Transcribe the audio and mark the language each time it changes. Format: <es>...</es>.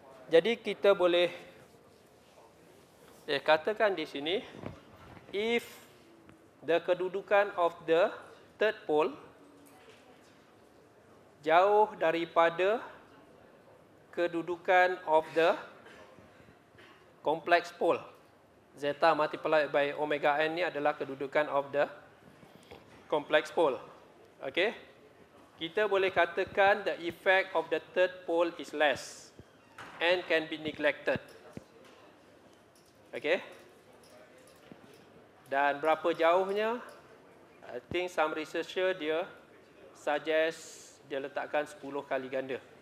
<ms>Jadi kita boleh katakan di sini</ms> <en>if the kedudukan of the third pole</en> <ms>jauh daripada kedudukan</ms> <en>of the complex pole, zeta multiplied by omega n</en> <ms>ni adalah kedudukan</ms> <en>of the complex pole. Okay,</en> <ms>kita boleh katakan</ms> <en>the effect of the third pole is less and can be neglected.</en> <ms>Okay, dan berapa jauhnya?</ms> <en>I think some researcher</en> <ms>dia suggest dia letakkan 10 kali ganda.</ms>